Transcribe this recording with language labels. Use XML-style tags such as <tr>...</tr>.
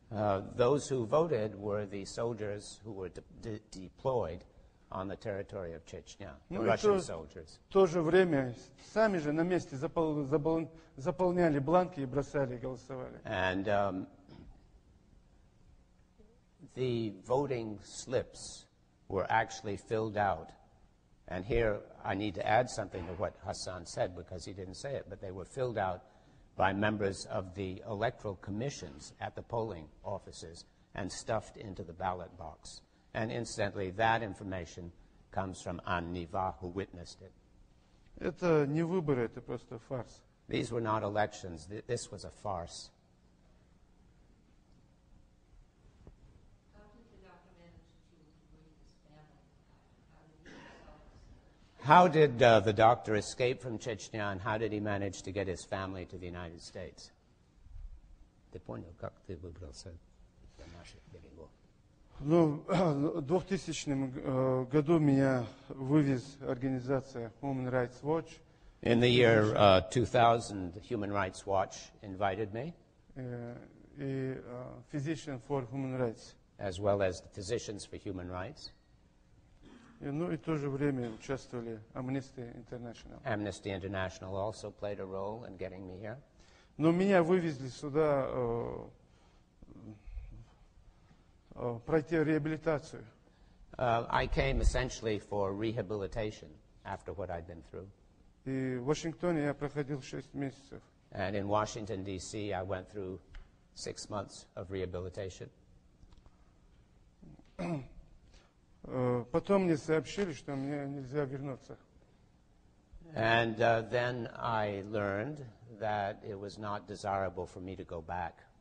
<en>Those who voted were the soldiers who were deployed on the territory of Chechnya, Russian soldiers.</en> <ru>В то же время сами же на месте заполняли бланки и бросали, голосовали.</ru> <en>And the voting slips were actually filled out. And here I need to add something to what Hassan said because he didn't say it, but they were filled out by members of the electoral commissions at the polling offices and stuffed into the ballot box. And incidentally, that information comes from Anne Neva, who witnessed it.</en> <ru>Это не выборы, это просто фарс.</ru> <en>These were not elections. This was a farce. How did the doctor escape from Chechnya, and how did he manage to get his family to the United States?</en> <ru>Ты понял, как ты выбрался до наших берегов? Ну, в 2000 году меня вывез организация Human Rights Watch.</ru> <en>In the year 2000, Human Rights Watch invited me.</en> <ru>И Physician for Human Rights.</ru> <en>As well as the Physicians for Human Rights.</en> <ru>Ну и в то же время участвовали Amnesty International.</ru> <en>Amnesty International also played a role in getting me here.</en> <ru>Но меня вывезли сюда пройти реабилитацию.</ru> <en>I came essentially for rehabilitation after what I'd been through.</en> <ru>И в Вашингтоне я проходил 6 месяцев.</ru> <en>And in Washington, D.C., I went through 6 months of rehabilitation.</en> <ru>Потом мне сообщили, что мне нельзя вернуться.</ru> <en>And then I learned that it was not desirable for me to go back.</en>